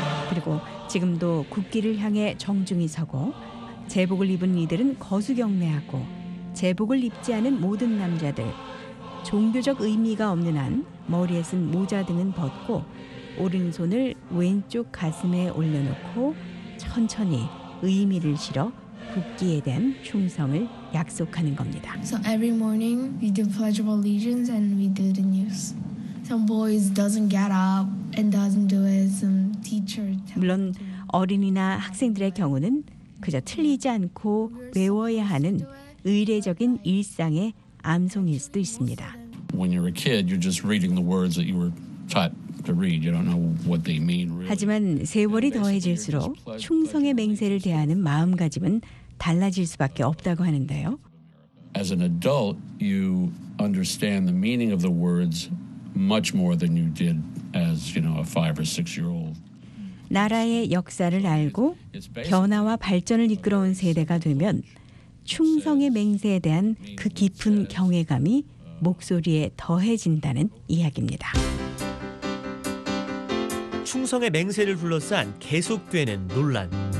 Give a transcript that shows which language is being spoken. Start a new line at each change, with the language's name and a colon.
Korean: 그리고 지금도 국기를 향해 정중히 서고 제복을 입은 이들은 거수경례하고 제복을 입지 않은 모든 남자들 종교적 의미가 없는 한 머리에 쓴 모자 등은 벗고 오른손을 왼쪽 가슴에 올려놓고 천천히 의미를 실어 국기에 대한 충성을 약속하는 겁니다.
English: So every morning we do pledge of allegiance and we do the news. Some boys doesn't get up and doesn't do it. Some teacher.
Korean: 물론 어린이나 학생들의 경우는 그저 틀리지 않고 외워야 하는 의례적인 일상의 암송일 수도 있습니다.
English: When you're a kid, you're just reading the words that you were taught. To read. You don't know what they mean, really.
Korean: 하지만 세월이 더해질수록 충성의 맹세를 대하는 마음가짐은 달라질 수밖에 없다고 하는데요.
English: As an adult, you understand the meaning of the words much more than you did as you know, a 5 or 6 year old.
Korean: 나라의 역사를 알고 변화와 발전을 이끌어온 세대가 되면 충성의 맹세에 대한 그 깊은 경외감이 목소리에 더해진다는 이야기입니다. 충성의 맹세를 둘러싼 계속되는 논란.